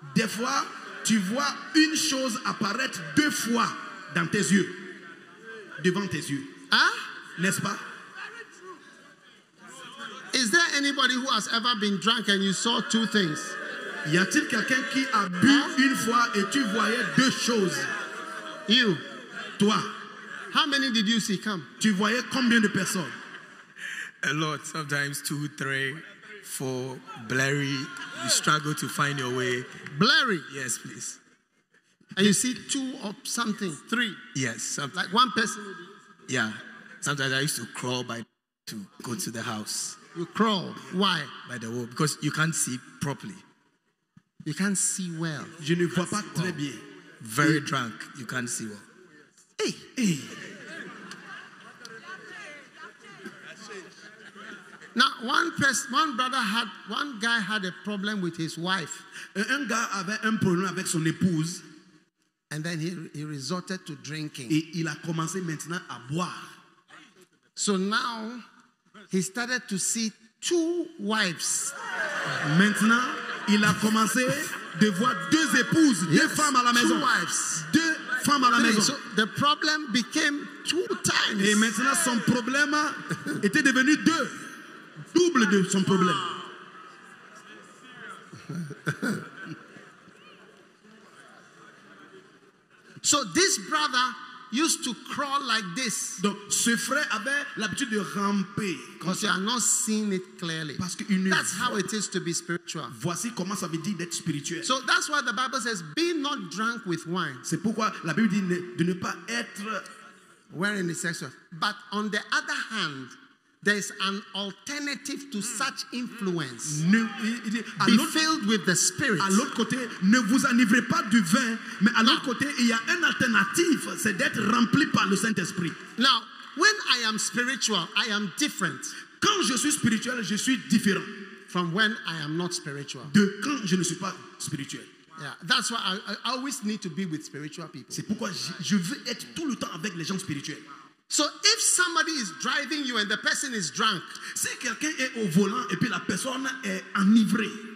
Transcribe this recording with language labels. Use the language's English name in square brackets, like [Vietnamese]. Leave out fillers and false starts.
[French] Des fois, tu vois une chose apparaître deux fois dans tes yeux. Devant tes yeux. Hein? N'est-ce pas? [English] Is there anybody who has ever been drunk and you saw two things? [French] Y a-t-il quelqu'un qui a bu une fois et tu voyais deux choses? [English] You. [French] Toi. [English] How many did you see come? [French] Tu voyais combien de personnes? [English] A lot. Sometimes two, three, four. Blurry. You struggle to find your way. Blurry? Yes, please. And you see two or something, three? Yes. Something. Like one person? Yeah. Sometimes I used to crawl by to go to the house. You crawl. Why? By the wall. Because you can't see properly. You can't see well. [French] Je ne vois pas très bien. [English] Very drunk. You can't see well. Hey. Hey. Now, one guy had a problem with his wife. [French] Un gars avait un problème avec son épouse. [English] And then he resorted to drinking. [French] Et il a commencé maintenant à boire. [English] So now, he started to see two wives. [French] Maintenant, il a commencé de voir deux épouses, deux femmes à la maison. [English] Two wives. [French] Deux femmes à la maison. [English] So the problem became two times. [French] Et maintenant, son problème était devenu deux. Double de son problème. [English] So this brother used to crawl like this. [French] Donc, ce frère avait l'habitude de ramper. [English] Because you are not seeing it clearly. [French] Parce que [English] that's how it is to be spiritual. [French] Voici comment ça veut dire d'être spirituel. [English] So that's why the Bible says, be not drunk with wine. [French] C'est pourquoi la Bible dit de ne pas être [English] wearing the sexual. But on the other hand, there's an alternative to such influence. Be filled with the Spirit. [French] À l'autre côté, ne vous enivrez pas du vin, mais à l'autre côté, il y a une alternative, c'est d'être rempli par le Saint-Esprit. [English] Now, when I am spiritual, I am different. [French] Quand je suis spirituel, je suis différent. [English] From when I am not spiritual. [French] De quand je ne suis pas spirituel. [English] Yeah, that's why I always need to be with spiritual people. [French] C'est pourquoi je veux être tout le temps avec les gens spirituels. [English] So if somebody is driving you and the person is drunk, [French] si quelqu'un est au volant et puis la personne est enivrée,